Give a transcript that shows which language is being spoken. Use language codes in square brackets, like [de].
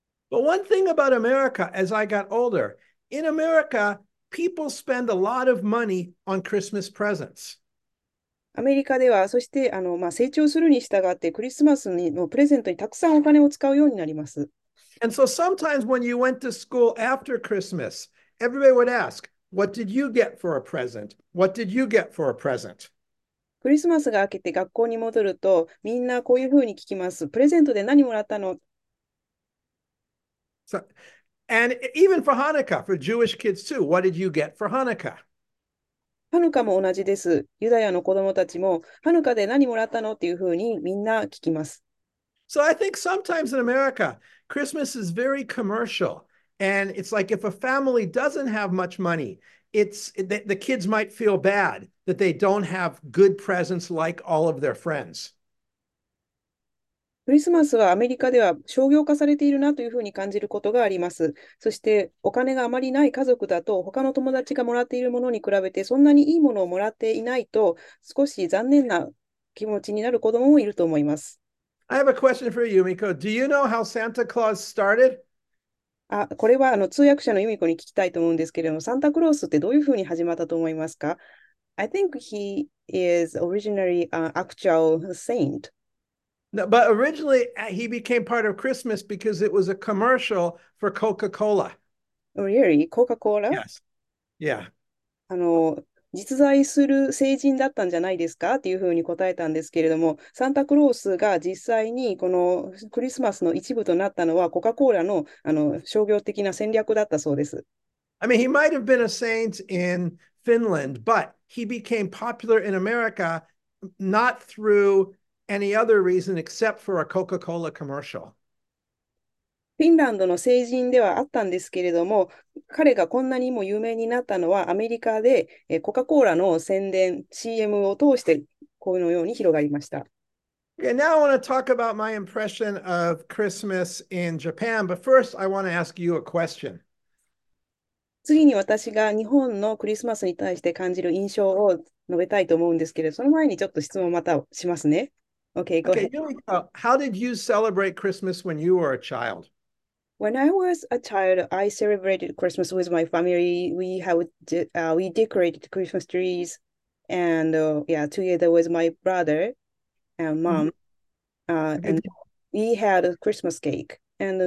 [en] But one thing about America, as I got older, in America, people spend a lot of money on Christmas presents. [ja] アメリカでは、そして、成長するに従って、クリスマスのプレゼントにたくさんお金を使うようになります。 [en] And so sometimes when you went to school after Christmas, everybody would ask, "What did you get for a present? What did you get for a present?" [ja] クリスマスが明けて学校に戻ると、みんなこういうふうに聞きます。プレゼントで何もらったの？ [en] So, and even for Hanukkah, for Jewish kids too, what did you get for Hanukkah? [ja] ハヌカも同じです。ユダヤの子供たちも、ハヌカで何もらったの？っていうふうにみんな聞きます。 [en] So I think sometimes in America, Christmas is very commercial. And it's like if a family doesn't have much money, the kids might feel bad that they don't have good presents like all of their friends. [ja] クリスマスはアメリカでは商業化されているなというふうに感じることがあります。そしてお金があまりない家族だと他の友達がもらっているものに比べてそんなにいいものをもらっていないと少し残念な気持ちになる子どももいると思います。 [en] I have a question for you, Yumiko. Do you know how Santa Claus started? [ja] あ、これは通訳者のユミコに聞きたいと思うんですけれども、サンタクロースってどういうふうに始まったと思いますか？ [en] I think he is originally an actual saint. No, but originally, he became part of Christmas because it was a commercial for Coca-Cola. Really? コカ・コーラ？ Yes. Yeah. [ja] 実在する聖人だったんじゃないですかっていうふうに答えたんですけれども、サンタクロースが実際にこのクリスマスの一部となったのはコカ・コーラの、商業的な戦略だったそうです。 [en] I mean, he might have been a saint in Finland, but he became popular in America not through any other reason except for a Coca-Cola commercial. [ja] フィンランドの聖人ではあったんですけれども、彼がこんなにも有名になったのはアメリカでコカ・コーラの宣伝、CM を通してこのように広がりました。 [en] Okay, now I want to talk about my impression of Christmas in Japan, but first I want to ask you a question. [ja] 次に私が日本のクリスマスに対して感じる印象を述べたいと思うんですけれど、その前にちょっと質問またしますね。 OK、ごめん。 [en] Okay, Yumiko, how did you celebrate Christmas when you were a child? When I was a child, I celebrated Christmas with my family. We decorated Christmas trees, and together with my brother and mom, and we had a Christmas cake and